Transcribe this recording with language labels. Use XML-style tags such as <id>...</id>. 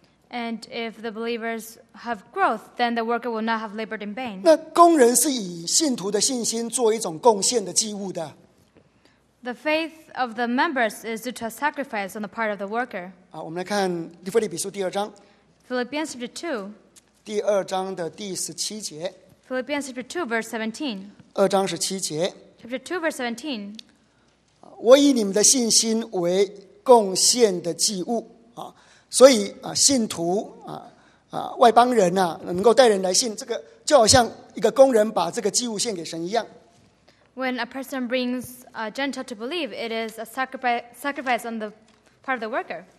<en>And if the believers have growth, then the worker will not have labored in vain.</en> <zh>那工人是以信徒的信心做一种贡献的祭物的。</zh> <en>The faith of the members is due to a sacrifice on the part of the worker.</en> <zh>我们来看以弗所书第二章。</zh> <en>Philippians chapter 2.</en> <zh>第二章的第十七节。</zh> <en>Philippians chapter 2, verse 17.</en> <zh>二章十七节。</zh> <en>Chapter 2, verse 17.</en> <zh>我以你们的信心为贡献的祭物。所以信徒外邦人能够带人来信，这个就好像一个工人把这个祭物献给神一样。</zh> <en>When a person brings a Gentile to believe, it is a sacrifice on the part of the worker.</en>